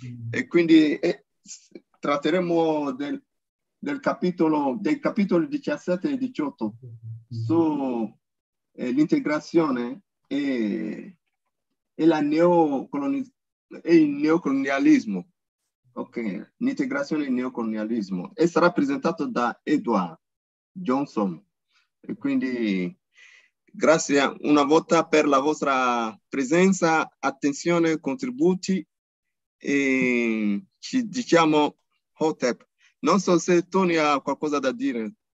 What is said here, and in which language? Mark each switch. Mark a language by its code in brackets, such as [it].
[it] E quindi tratteremo dei capitoli 17 e 18 su l'integrazione e la neocolonizzazione. il neocolonialismo. [fr] Ok, l'intégration et néocolonialisme. Elle sera présentée par Edward Johnson. [it] Et quindi, grazie una volta per la vostra presenza, attenzione, contributi. E ci diciamo Hotep. Non so se Tony ha qualcosa da dire.